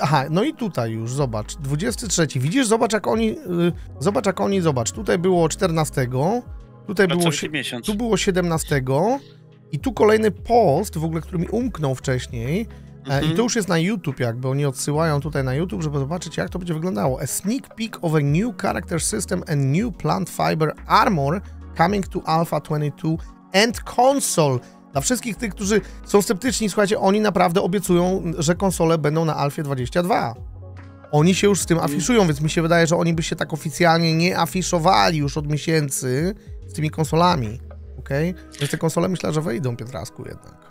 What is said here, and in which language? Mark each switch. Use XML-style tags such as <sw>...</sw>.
<pl>Aha, no i tutaj już, zobacz, 23. Widzisz, zobacz, jak oni, tutaj było 14, tutaj było... Tu było 17 i tu kolejny post, w ogóle, który mi umknął wcześniej. I to już jest na YouTube jakby, oni odsyłają tutaj na YouTube, żeby zobaczyć, jak to będzie wyglądało.</pl> <en>A sneak peek of a new character system and new plant fiber armor coming to Alpha 22 and console.</en> <pl>Dla wszystkich tych, którzy są sceptyczni, słuchajcie, oni naprawdę obiecują, że konsole będą na Alpha 22. Oni się już z tym afiszują, więc mi się wydaje, że oni by się tak oficjalnie nie afiszowali już od miesięcy z tymi konsolami, okej? Okay? Więc te konsole myślę, że wejdą, Pietrasku, jednak.</pl>